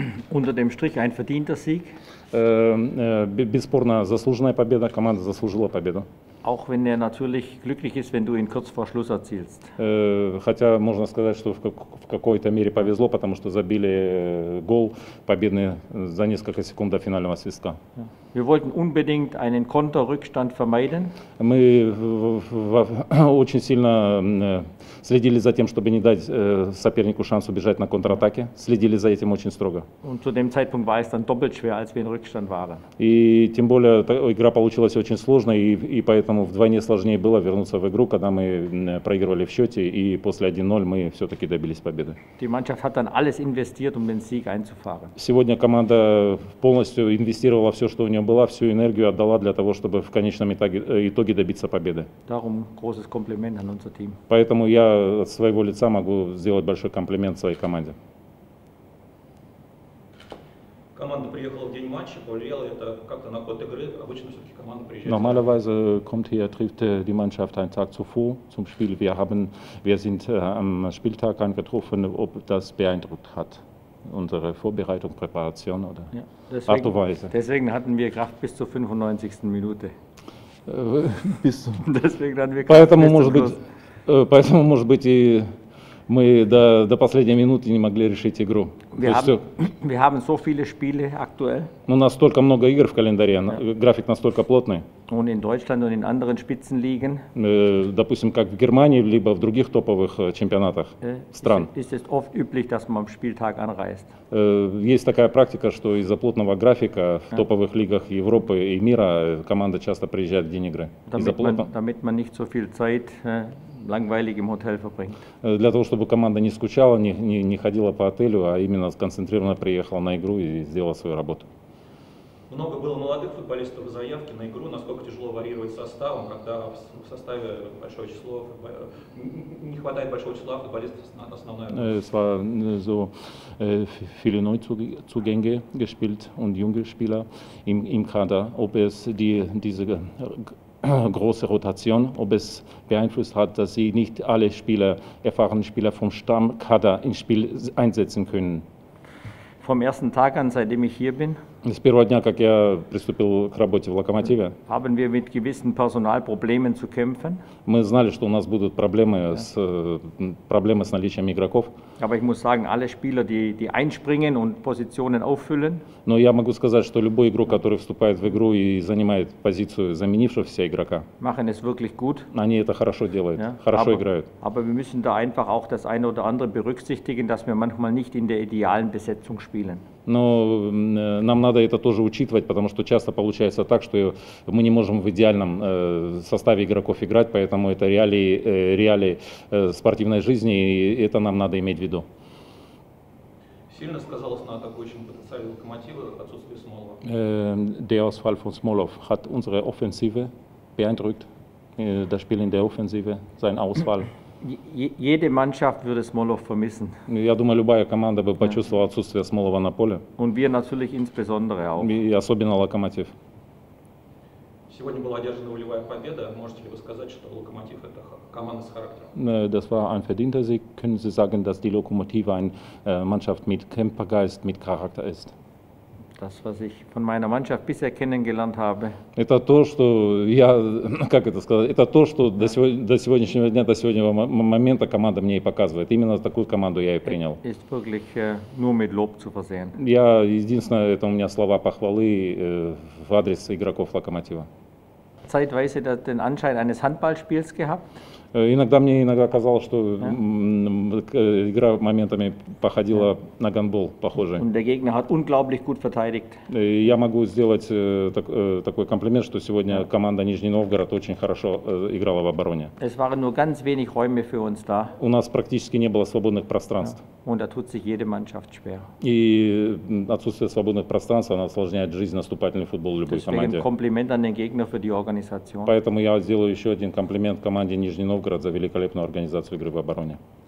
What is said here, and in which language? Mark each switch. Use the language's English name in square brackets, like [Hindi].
[German] Unter dem Strich ein verdienter Sieg. [Russian] Бесспорно заслуженная победа. Команда заслужила победу. [German] Auch wenn er natürlich glücklich ist, wenn du ihn kurz vor Schluss erzielst. [Russian] Хотя можно сказать, что в какой-то мере повезло, потому что забили гол победный за несколько секунд до финального свистка. [German] Wir wollten unbedingt einen Konterrückstand vermeiden. [Russian] Мы очень сильно следили за тем, чтобы не дать сопернику шанс убежать на контратаке. Следили за этим очень строго. [German] Und zu dem Zeitpunkt war es dann doppelt schwer, als wir in Rückstand waren. [Russian] И тем более игра получилась очень сложной, и поэтому вдвойне сложнее было вернуться в игру, когда мы проигрывали в счете, и после 1-0 мы все-таки добились победы. [German] Die Mannschaft hat dann alles investiert, um den Sieg einzufahren. [Russian] Сегодня команда полностью инвестировала все, что у нее была, всю энергию отдала для того, чтобы в конечном итоге добиться победы. [German] Darum großes Kompliment an unser Team. [Russian] Поэтому я от своего лица могу сделать большой комплимент своей команде. Команда приехала в день матча, повлияло это как-то на ход игры? Обычно все-таки команда приезжает. [German] Normalerweise kommt hier, trifft die Mannschaft einen Tag zuvor zum Spiel. Wir sind am Spieltag angetroffen, ob das beeindruckt hat. Unsere Vorbereitung, Präparation oder ja, Art und Weise. Deswegen hatten wir Kraft bis zur 95. Minute. Deswegen hatten wir Kraft [Russian] поэтому, bis может быть, поэтому, может быть, и мы до последней минуты не могли решить игру. [German] Wir haben so viele Spiele aktuell. [Russian] У нас столько много игр в календаре, ja. График настолько плотный. [German] Und in Deutschland und in anderen Spitzenligen. [Russian] Допустим, как в Германии, либо в других топовых чемпионатах стран. [German] Ist es oft üblich, dass man am Spieltag anreist. [Russian] Есть такая практика, что из-за плотного графика в топовых лигах Европы и мира команда часто приезжает в день игры. [German] Damit man nicht so viel Zeit langweilig im Hotel verbringt. [Russian] Для того, чтобы команда не скучала, не ходила по отелю, а именно сконцентрированно приехала на игру и сделала свою работу. Много было молодых футболистов в заявке на игру. Насколько тяжело варьировать составом, когда в составе большое число не хватает большого числа футболистов основной. [German] Es war so viele Neuzugänge gespielt und junge Spieler im Kader. Ob es diese große Rotation, ob es beeinflusst hat, dass sie nicht alle Spieler, erfahrenen Spieler vom Stammkader ins Spiel einsetzen können. Vom ersten Tag an, seitdem ich hier bin, [Russian] с первого дня, как я приступил к работе в Локомотиве, [German] haben wir mit gewissen Personalproblemen zu kämpfen. [Russian] Мы знали, что у нас будут проблемы с наличием игроков. [German] Aber ich muss sagen, alle Spieler, die einspringen und Positionen auffüllen. [Russian] Но я могу сказать, что любой игрок, который вступает в игру и занимает позицию заменившегося игрока, [German] machen es wirklich gut. [Russian] Они это хорошо делают, хорошо играют. [German] Aber wir müssen da einfach auch das eine oder andere berücksichtigen, dass wir manchmal nicht in der idealen Besetzung spielen. [Russian] Но нам надо это тоже учитывать, потому что часто получается так, что мы не можем в идеальном составе игроков играть, поэтому это реалии спортивной жизни, и это нам надо иметь в виду. Сильно сказалось на атакующем потенциале Локомотива отсутствие Смолова. [German] Der Ausfall von Smolov hat unsere Offensive beeindruckt. Das Spiel in der Offensive, sein Ausfall. Jede Mannschaft würde Smolov vermissen. [Russian] Я думаю, любая команда бы почувствовала отсутствие Смолова на поле. [German] Und wir natürlich insbesondere auch. [Russian] И особенно Локомотив. Сегодня была одержана волевая победа. Можете ли вы сказать, что Локомотив это команда с характером? [German] Das war ein verdienter Sieg. Können Sie sagen, dass die Lokomotive eine Mannschaft mit Kämpfergeist, mit Charakter ist? Das, was ich von meiner Mannschaft bisher kennengelernt habe. [Russian] Это то, что я, как это сказать, это то, что до сегодняшнего дня, до сегодняшнего момента команда мне и показывает. Именно такую команду я и принял. [German] Ist wirklich nur mit Lob zu versehen. [Russian] Я единственное, это у меня слова похвалы в адрес игроков Локомотива. [German] Zeitweise hat den Anschein eines Handballspiels gehabt. [Russian] Иногда мне иногда казалось, что игра моментами походила на гандбол, похоже. [German] Und der Gegner hat unglaublich gut verteidigt. [Russian] Я могу сделать такой комплимент, что сегодня команда Нижний Новгород очень хорошо играла в обороне. [German] Es waren nur ganz wenig Räume für uns da. [Russian] У нас практически не было свободных пространств. [German] Und da tut sich jede Mannschaft schwer. [Russian] И отсутствие свободных пространств она осложняет жизнь наступательный футбол любой [German] Deswegen [Russian] команде. [German] Комплимент an den Gegner für die Organisation. [Russian] Поэтому я сделаю еще один комплимент команде Нижний Новгород за великолепную организацию игры в обороне.